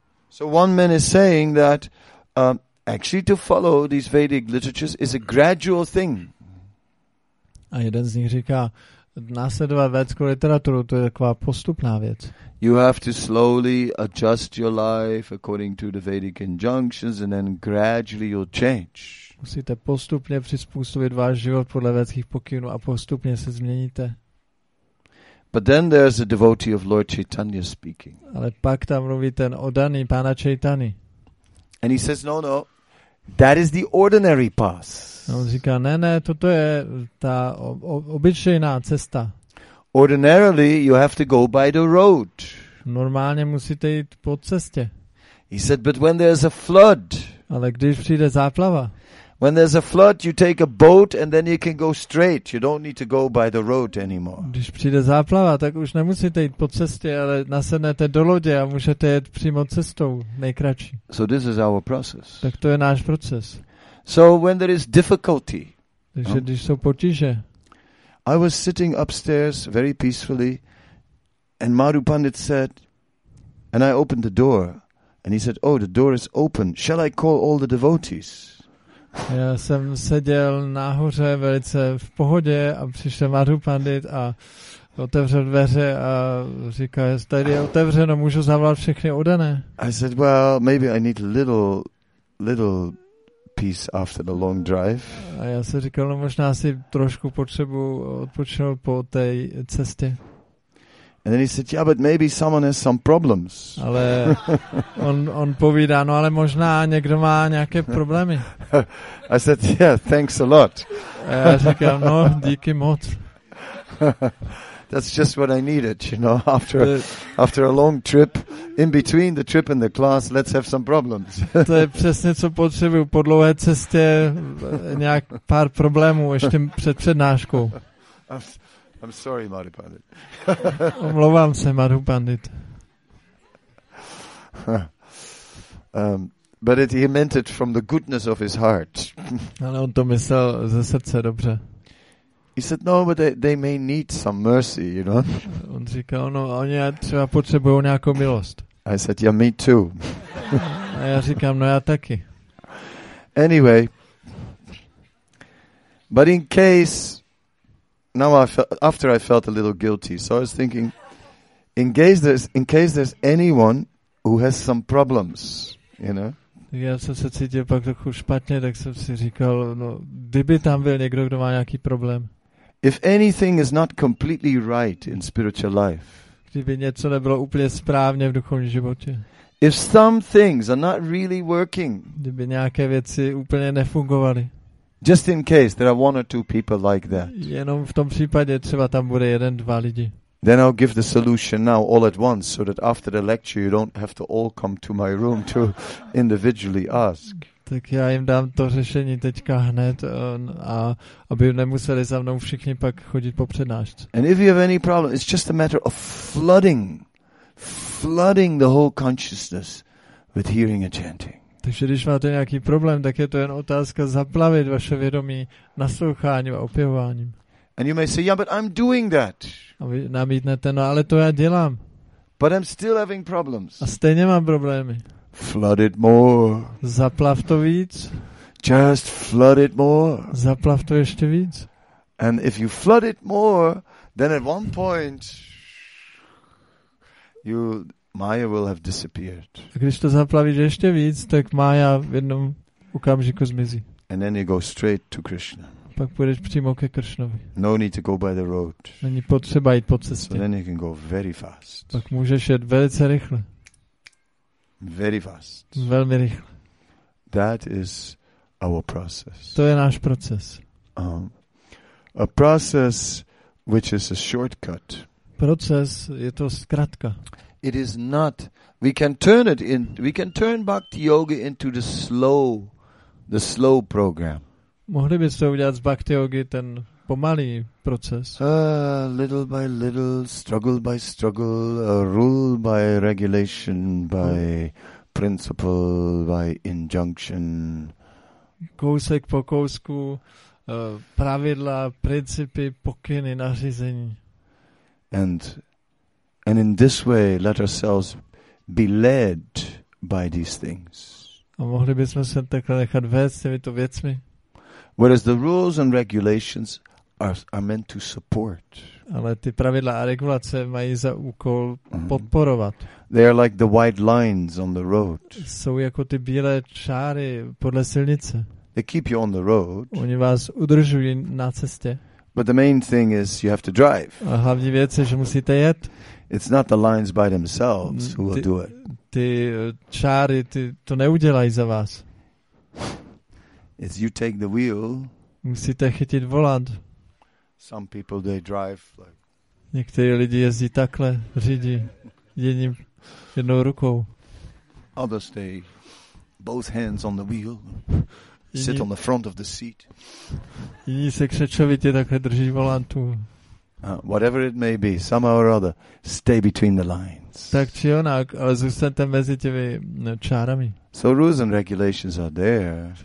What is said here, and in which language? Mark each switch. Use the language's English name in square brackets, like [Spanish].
[English] So one man is saying that actually to follow these Vedic literatures is a gradual thing. [Czech] A jeden z nich říká, následovat védskou literaturu, to je taková postupná věc. [English] You have to slowly adjust your life according to the Vedic injunctions and then gradually you'll change. [Czech] Musíte postupně přizpůsobit váš život podle védských pokynů a postupně se změníte. [English] But then there's a devotee of Lord Chaitanya speaking. [Czech] Ale pak tam mluví ten oddaný pána Chaitany. [English] And he says, no, that is the ordinary path. [Czech] A on říká, ne, toto je ta obyčejná cesta. [English] Ordinarily, you have to go by the road. [Czech] Normálně musíte jít po cestě. [English] He said, but when there's a flood. [Czech] Ale když přijde záplava. [English] When there's a flood, you take a boat and then you can go straight. You don't need to go by the road anymore. [Czech] Když přijde záplava, tak už nemusíte jít po cestě, ale nasednete do lodě a můžete jít přímo cestou nejkratší. [English] So this is our process. [Czech] Tak to je náš proces. [English] So when there is difficulty. [Czech] Takže když jsou potíže. [English] I was sitting upstairs very peacefully and Madhu Pandit said, and I opened the door and he said, oh, the door is open. Shall I call all the devotees? [Czech] Já jsem seděl nahoře velice v pohodě a přišel Madhu Pandit a otevřel dveře a říká, že tady je otevřeno, můžu zavolat všechny odané. [English] I said, well, maybe I need a little peace after the long drive. [Czech] A já jsem říkal, no možná si trošku potřebu odpočinout po té cestě. [English] And then he said, yeah, but maybe someone has some problems. [Czech] Ale on povídá, no ale možná někdo má nějaké problémy. [English] I said, yeah, thanks a lot. [Czech] A já říkám, no, díky moc. [English] That's just what I needed, you know, after a long trip, in between the trip and the class, let's have some problems. [Czech] To je přesně, co potřebuji, po dlouhé cestě nějak pár problémů ještě před přednáškou. [English] I'm sorry, Madhu Pandit. [Czech] Omlouvám se, Madhu Pandit. [English] But he meant it from the goodness of his heart. [Czech] Ale on to myslel ze srdce dobře. [English] He said, no, but they may need some mercy, you know. [Czech] On říkal, no, oni třeba potřebují nějakou milost. [English] I said, yeah, me too. [Czech] A já říkám, no, já taky. [English] Anyway, but in case... Now after I felt a little guilty, so I was thinking, in case there's anyone who has some problems, you know. [Czech] Já jsem se cítil pak trochu špatně, tak jsem si říkal, no, kdyby tam byl někdo, kdo má nějaký problém. [English] If anything is not completely right in spiritual life. [Czech] Kdyby něco nebylo úplně správně v duchovním životě. [English] If some things are not really working. [Czech] Kdyby nějaké věci úplně nefungovaly. [English] Just in case there are one or two people like that. [Czech] Jenom v tom případě třeba tam bude jeden, dva lidi. [English] Then I'll give the solution now all at once so that after the lecture you don't have to all come to my room to individually ask. [Czech] Tak já jim dám to řešení teďka hned a aby nemuseli za mnou všichni pak chodit po přednášce. [English] And if you have any problem, it's just a matter of flooding the whole consciousness with hearing a chanting. [Czech] Takže když máte nějaký problém, tak je to jen otázka zaplavit vaše vědomí nasloucháním a opěvováním. [English] And you may say, yeah, but I'm doing that. [Czech] A vy namítnete, no ale to já dělám. [English] But I'm still having problems. [Czech] A stejně mám problémy. [English] Flood it more. [Czech] Zaplav to víc. [English] Just flood it more. [Czech] Zaplav to ještě víc. [English] And if you flood it more, then at one point you Maya will have disappeared. [Czech] A když to zaplavíš ještě víc, tak Maya v jednom okamžiku zmizí. [English] And then you go straight to Krishna. [Czech] Pak půjdeš přímo ke Kršnovi. [English] No need to go by the road. [Czech] Není potřeba jít po cestě. [English] So then you can go very fast. [Czech] Tak můžeš jet velice rychle. [English] Very fast. [Czech] Velmi rychle. [English] That is our process. [Czech] To je náš proces. [English] A process which is a shortcut. [Czech] Proces je to zkratka. [English] It is not. We can turn it in. We can turn bhakti yoga into the slow program. [Czech] Mohli byste udělat z bhakti yogi ten pomalý proces? [English] Little by little, struggle by struggle, rule by regulation, by principle, by injunction. [Czech] Kousek po kousku, pravidla, principy, pokyny, nařízení. [English] And in this way, let ourselves be led by these things. [Czech] A mohli bychom se takhle nechat vést těmito věcmi? [English] Whereas the rules and regulations are meant to support. [Czech] Ale ty pravidla a regulace mají za úkol podporovat. [English] They are like the white lines on the road. [Czech] Jsou jako ty bílé čáry podle silnice. [English] They keep you on the road. [Czech] Oni vás udržují na cestě. [English] But the main thing is you have to drive. [Czech] A hlavní věc je, že musíte jet. [English] It's not the lines by themselves who will do it. [Czech] Ty čáry, ty to neudělají za vás. [English] It's you take the wheel. [Czech] Musíte chytit volant. [English] Some people they drive like. [Czech] Někteří lidi jezdí takhle, řídí jednou rukou. [English] Others they both hands on the wheel. Sit on the front of the seat. [Czech] Jiní se křečovitě takhle drží volantu. [English] Whatever it may be, somehow or other, stay between the lines. [Czech] Tak či onak, ale zůstaňte mezi těmi čárami. [English] So rules and regulations are there.